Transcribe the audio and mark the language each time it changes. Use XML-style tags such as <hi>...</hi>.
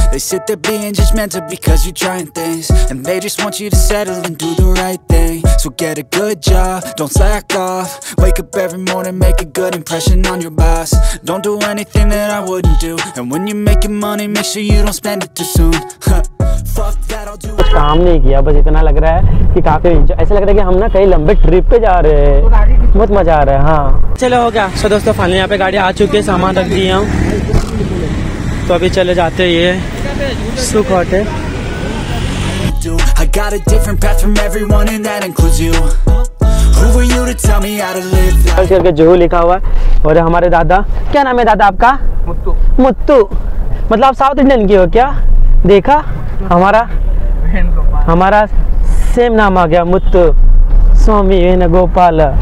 <en>They sit there being judgmental because you're trying things. And they just want you to settle and do the right thing. So get a good job, don't slack off. Wake up every morning, make a good impression on your boss. Don't do anything that I wouldn't do. And when you're making money, make sure you don't spend it too soon.</en> <hi>कुछ काम नहीं किया, बस इतना लग रहा है कि काफी ऐसा लग रहा है कि हम ना कहीं लंबे ट्रिप पे जा रहे हैं। बहुत मजा आ रहा है। हाँ चलो, हो गया। सो दोस्तों फाइनली यहाँ पे गाड़ी आ चुकी है, सामान रख दिए हम, तो अभी चले जाते हैं। ये सुख hotel.</hi> <en>I got a different path from everyone and that includes you. Who were you to tell me how to live?</en> <hi>Sir के जूहू लिखा हुआ है, और हमारे दादा, क्या नाम है दादा आपका? मुत्तू। मतलब आप साउथ इंडियन की हो क्या? देखा हमारा हमारा सेम नाम आ गया, मुत्तु स्वामी वेन गोपाल।</hi>